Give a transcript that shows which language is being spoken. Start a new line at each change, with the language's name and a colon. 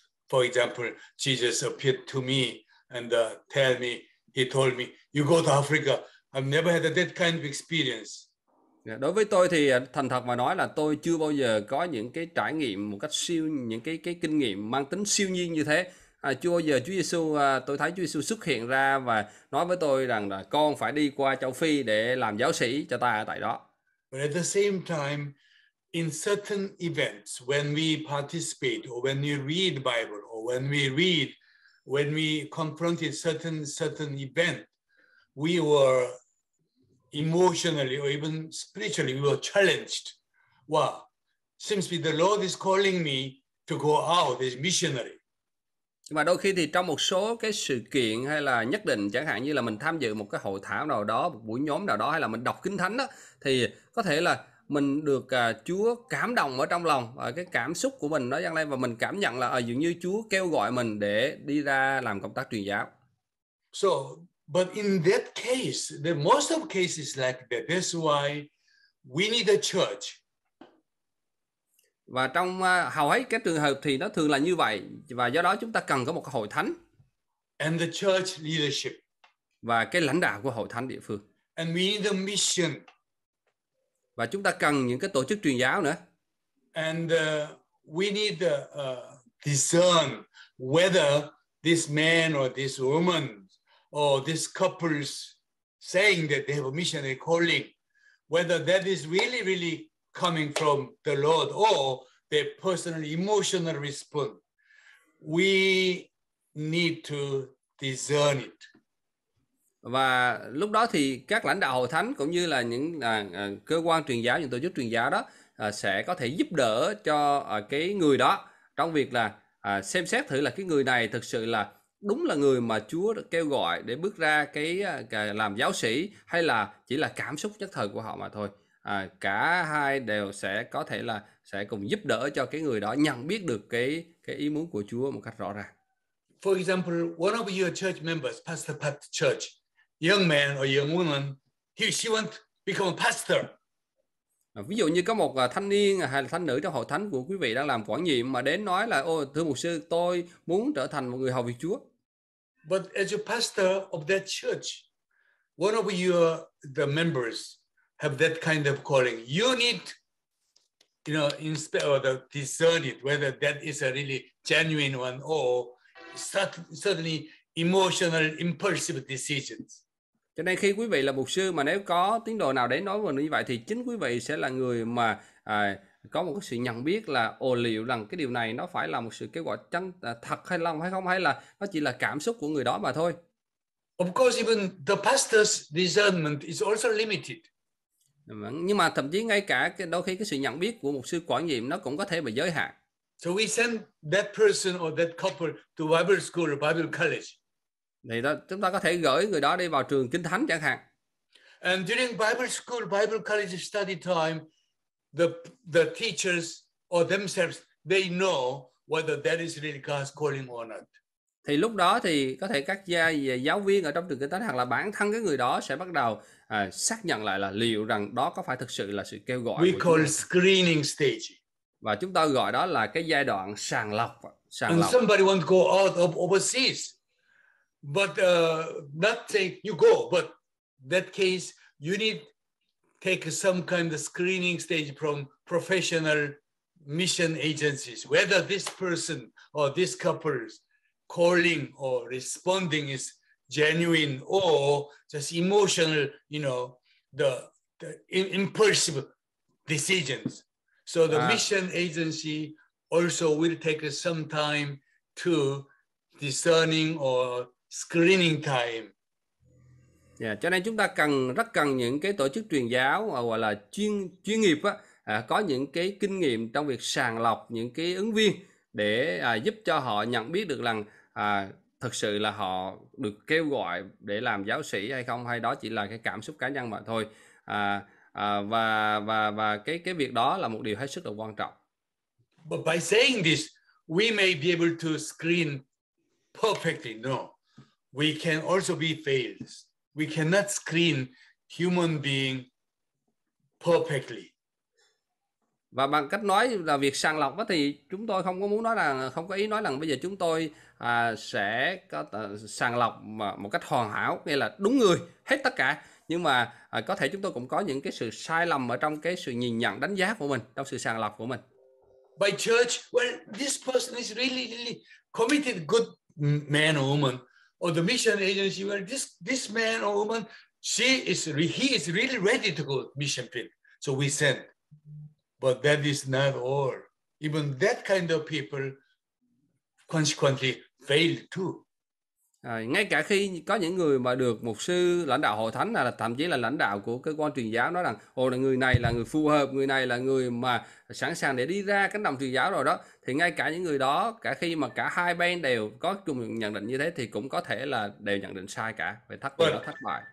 English: For example, Jesus appeared to me and tell me, he told me, you go to Africa. I've never had that kind of experience.
Vietnamese: Yeah, đối với tôi thì thành thật mà nói là tôi chưa bao giờ có những cái trải nghiệm một cách siêu, những cái kinh nghiệm mang tính siêu nhiên như thế. Chưa bao giờ Chúa Giêsu, tôi thấy Chúa Giêsu xuất hiện ra và nói với tôi rằng là con phải đi qua châu Phi để làm giáo sĩ cho ta ở tại đó.
English: But at the same time, in certain events, when we participate, or when we read Bible, or when we read, when we confronted certain event, we were emotionally or even spiritually, we were challenged. Wow, seems to be the Lord is calling me to go out as missionary.
Vietnamese: Nhưng mà đôi khi thì trong một số cái sự kiện hay là nhất định, chẳng hạn như là mình tham dự một cái hội thảo nào đó, một buổi nhóm nào đó, hay là mình đọc Kinh Thánh đó, thì có thể là mình được Chúa cảm động ở trong lòng và cái cảm xúc của mình nó dâng lên và mình cảm nhận là dường như Chúa kêu gọi mình để đi ra làm công tác truyền giáo.
English: So, but in that case, the most of cases like that, that's why we need a church.
Vietnamese: Và trong hầu hết các trường hợp thì nó thường là như vậy, và do đó chúng ta cần có một hội thánh.
English: And the church leadership.
Vietnamese: Và cái lãnh đạo của hội thánh địa phương.
English: And we need a mission.
Vietnamese: Và chúng ta cần những cái tổ chức truyền giáo nữa.
English: And we need to discern whether this man or this woman or this couple's saying that they have a missionary calling, whether that is really, really coming from the Lord or their personal emotional response. We need to discern it.
Vietnamese: Và lúc đó thì các lãnh đạo hội thánh cũng như là những cơ quan truyền giáo, những tổ chức truyền giáo đó sẽ có thể giúp đỡ cho cái người đó trong việc là xem xét thử là cái người này thực sự là đúng là người mà Chúa kêu gọi để bước ra cái làm giáo sĩ, hay là chỉ là cảm xúc nhất thời của họ mà thôi. Cả hai đều sẽ có thể là sẽ cùng giúp đỡ cho cái người đó nhận biết được cái ý muốn của Chúa một cách rõ ràng.
English: For example, one of your church members, Pastor Pat Church, young man or young woman, she want to become a pastor.
Vietnamese: Ví dụ như có một thanh niên hay là thanh nữ trong hội thánh của quý vị đang làm quản nhiệm mà đến nói là, ôi thưa mục sư, tôi muốn trở thành một người hầu việc Chúa.
English: But as a pastor of that church, one of your the members have that kind of calling. You need, you know, discern it whether that is a really genuine one or certainly emotional, impulsive decisions.
Vietnamese: Cho nên khi quý vị là mục sư mà nếu có tín đồ nào đến nói với mình như vậy thì chính quý vị sẽ là người mà có một cái sự nhận biết là liệu rằng cái điều này nó phải là một sự kêu gọi chân thật hay lòng hay không, hay là nó chỉ là cảm xúc của người đó mà thôi.
English: Of course, even the pastor's discernment is also limited.
Vietnamese: Nhưng mà thậm chí ngay cả đôi khi cái sự nhận biết của mục sư quản nhiệm nó cũng có thể bị giới hạn.
English: So we send that person or that couple to Bible school or Bible college.
Vietnamese: Thì chúng ta có thể gửi người đó đi vào trường Kinh Thánh chẳng hạn.
English: And during Bible school, Bible college study time, the teachers or themselves, they know whether that is really God's calling or not.
Vietnamese: Thì lúc đó thì có thể các giáo viên ở trong trường Kinh Thánh hoặc là bản thân cái người đó sẽ bắt đầu xác nhận lại là liệu rằng đó có phải thực sự là sự kêu gọi.
English: We call screening stage.
Vietnamese: Và chúng ta gọi đó là cái giai đoạn sàng lọc.
English: And somebody want to go out of overseas. But not say you go, but that case you need take some kind of screening stage from professional mission agencies, whether this person or this couple's calling or responding is genuine or just emotional, you know, the impulsive decisions. So the mission agency also will take some time to discerning or screening time.
Vietnamese: Yeah, cho nên chúng ta rất cần những cái tổ chức truyền giáo gọi là chuyên nghiệp á, có những cái kinh nghiệm trong việc sàng lọc những cái ứng viên để giúp cho họ nhận biết được rằng thực sự là họ được kêu gọi để làm giáo sĩ hay không, hay đó chỉ là cái cảm xúc cá nhân mà thôi. Và cái việc đó là một điều hết sức là quan trọng.
English: But by saying this, we may be able to screen perfectly. No, we can also be failed. We cannot screen human being perfectly.
Vietnamese: Và bằng cách nói là việc sàng lọc thì chúng tôi không có muốn nói là, không có ý nói rằng bây giờ chúng tôi sẽ có sàng lọc một cách hoàn hảo, nghĩa là đúng người hết tất cả, nhưng mà có thể chúng tôi cũng có những cái sự sai lầm ở trong cái sự nhìn nhận đánh giá của mình, trong sự sàng lọc của mình.
English: By church, well, this person is really, really committed, good man or woman, or the mission agency, well, this man or woman, he is really ready to go mission field, so we send. But that is not all. Even that kind of people consequently fail too.
Vietnamese: Ngay cả khi có những người mà được mục sư lãnh đạo hội thánh, là thậm chí là lãnh đạo của cơ quan truyền giáo, nói rằng ồ, là người này là người phù hợp, người này là người mà sẵn sàng để đi ra cánh đồng truyền giáo rồi đó, thì ngay cả những người đó, cả khi mà cả hai bên đều có chung nhận định như thế, thì cũng có thể là đều nhận định sai cả về thất bại đó, thất bại.